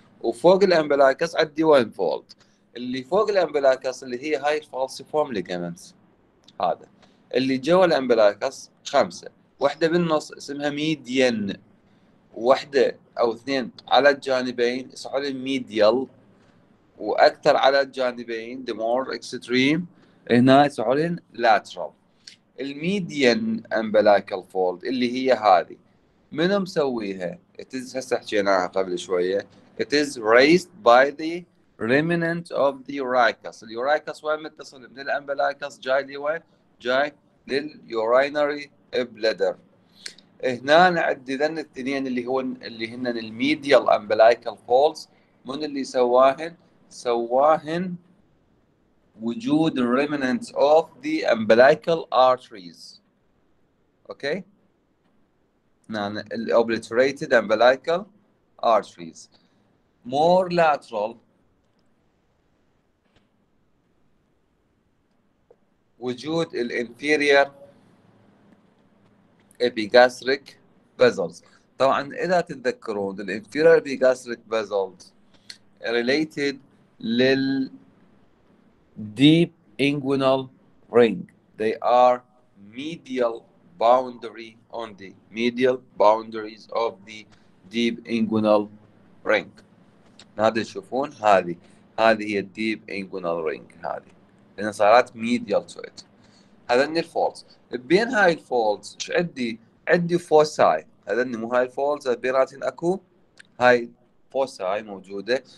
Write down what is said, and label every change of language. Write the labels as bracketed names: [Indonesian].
[Arabic] وفوق الامبلايكس عندي وين فولد اللي فوق الامبلايكس اللي هي هاي الفالسيفورم ليجامنت، هذا اللي جوا الامبلايكس خمسه، واحده بالنص اسمها ميديان، واحده او اثنين على الجانبين اسمها ميديال، واكثر على الجانبين [English] the more extreme [Arabic] هنا يسعلن lateral. [English] الميديان umbilical fold [Arabic] اللي هي هذه منو مسويها؟ [English] it is [Arabic] هسه حكيناها قبل شويه، [English] it is raised by the remnant of the uricus. [Arabic] ال uricus وين متصل؟ من ال umbilicus جاي لي وين؟ جاي لل urinary bladder. هنا نعدي ذن الاثنين اللي هو اللي هن الميديال umbilical folds، من اللي سواهن؟ سواهن وجود [English] remnants of the umbilical arteries. Okay, نعم obliterated umbilical arteries more lateral وجود ال inferior epigastric vessels. [Arabic] طبعا اذا تتذكرون [English] ال inferior epigastric vessels related لل deep inguinal ring. They are medial boundary on the medial boundaries of the deep inguinal ring. [Arabic] هذه تشوفون هذه هي deep inguinal ring، هذه لأن صارت [English] medial to it. [Arabic] هذني الفولز بين هاي الفولز ش عدي فوساي، هذني مو هاي الفولز بيناتهم أكو هاي فوساي موجودة.